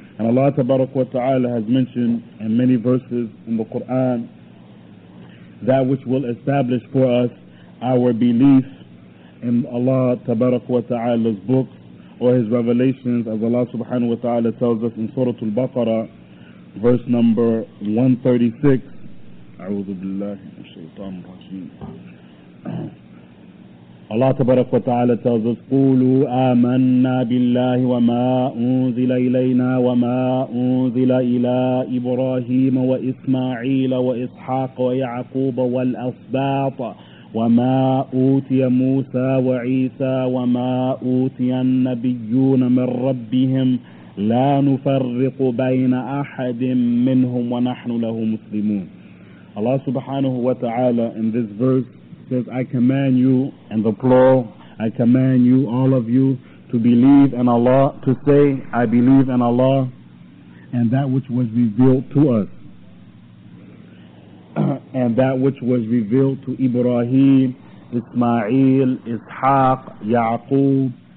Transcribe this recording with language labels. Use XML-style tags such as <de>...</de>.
<en>And Allah tabarak wa ta'ala has mentioned in many verses in the Quran that which will establish for us our belief in Allah tabarak wa ta'ala's books or His revelations, as Allah subhanahu wa ta'ala tells us in Surah Al-Baqarah, verse number 136.</en> <ar>A'udhu billahi min shaitan rajeem.</ar> <en>Allah tabarak wa ta'ala tells us,</en> <ar>قُولُوا آمَنَّا بِاللَّهِ وَمَا أُنزِلَ إِلَيْنَا وَمَا أُنزِلَ إِلَىٰ إِبْرَاهِيمَ وَإِسْمَاعِيلَ وَإِسْحَاقَ وَيَعْقُوبَ وَالْأَصْبَاطَ وَمَا أُوتِيَ مُوسَى وَعِيسَى وَمَا أُوتِيَ النَّبِيُّونَ مِنْ رَبِّهِمْ لَا نُفَرِّقُ بَيْنَ أَحَدٍ مِّنْهُمْ وَنَحْنُ لَهُ مُسْلِمُونَ.</ar> <en>Allah subhanahu wa ta'ala in this verse says, I command you, in the plural, I command you, all of you, to believe in Allah, to say, I believe in Allah, and that which was revealed to us, and that which was revealed to Ibrahim, Ismail, Ishaq, Ya'qub,</en>